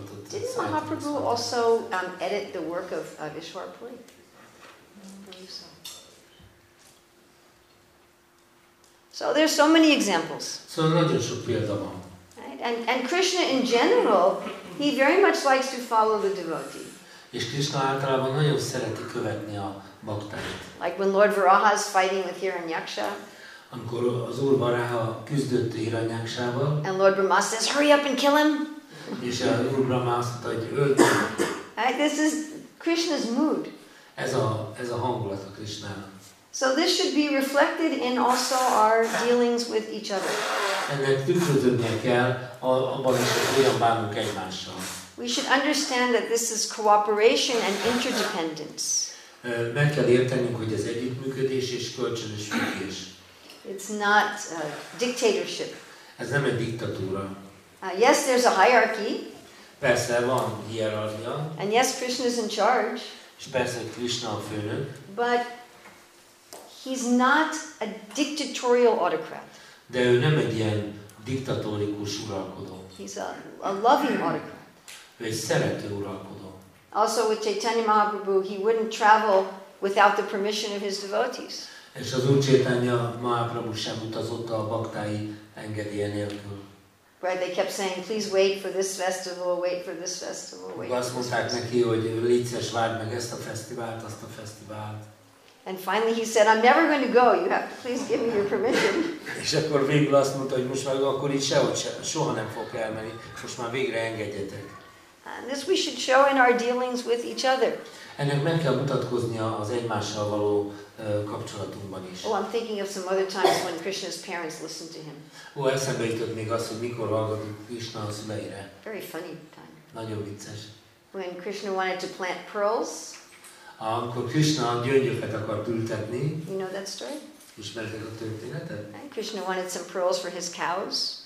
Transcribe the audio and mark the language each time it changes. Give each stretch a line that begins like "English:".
English: Didn't Mahaprabhu also edit the work of Ishwar Puri? So there's so many examples.
Hungarian: So nagyon sok példa van.
English: Right? And Krishna in general, he very much likes to follow the devotee.
Hungarian: És Krishna általában nagyon szereti követni a baktáit.
English: Like when Lord Varaha is fighting with Hiranyaksha.
Hungarian: Amikor az Úr Varaha küzdött Hiranyaksával.
English: And Lord Brahma says, hurry up and kill him.
Hungarian: És az Úr Brahma azt mondta, hogy ölt.
English: This is Krishna's mood.
Hungarian: Ez a hangulat a Krishnának.
English: So this should be reflected in also our dealings with each other.
Hungarian: Ennek tükröződnie kell abban is, hogy hogyan bánunk egymással.
English: We should understand that this is cooperation and interdependence.
Hungarian: Meg kell értenünk, hogy ez együttműködés és kölcsönös függés.
English: It's not a dictatorship.
Hungarian: Ez nem egy diktatúra.
English: Yes, there's a hierarchy.
Hungarian: Persze van hierarchia.
English: And yes, Krishna is in charge.
Hungarian: És persze Krishna a főnök.
English: But he's not a dictatorial autocrat.
Hungarian: De ő nem egy ilyen diktatórikus uralkodó.
English: He's a loving autocrat.
Hungarian: Ő egy szerető uralkodó.
English: Also with Chaitanya Mahaprabhu, he wouldn't travel without the permission of his devotees.
Hungarian: És az Úr Chaitanya Mahaprabhu sem utazott a baktái engedélye nélkül.
English: Right, they kept saying, please wait for this festival, wait for this festival, wait for this festival.
Hungarian: Azt mondták neki, hogy légyszer, várd meg ezt a fesztivált, azt a fesztivált.
English: And finally he said, I'm never going to go, you have to please give me your permission.
Hungarian: És akkor végül azt mondta, hogy most már akkor itt sehogy se, soha nem fogok elmenni, most már végre engedjetek.
English: And this we should show in our dealings with each other.
Hungarian: Ennek meg kell mutatkoznia az egymással való kapcsolatunkban is.
English: Oh, I'm thinking of some other times when Krishna's parents listened to him.
Hungarian: Ó, eszembe jutott még az, hogy mikor hallgatott Krishna a szüleire.
English: Very funny time.
Hungarian: Nagyon vicces.
English: When Krishna wanted to plant pearls.
Hungarian: Amikor Krishna gyöngyöket akart ültetni.
English: You know that story?
Hungarian: Ismeritek a történetet?
English: And Krishna wanted some pearls for his cows.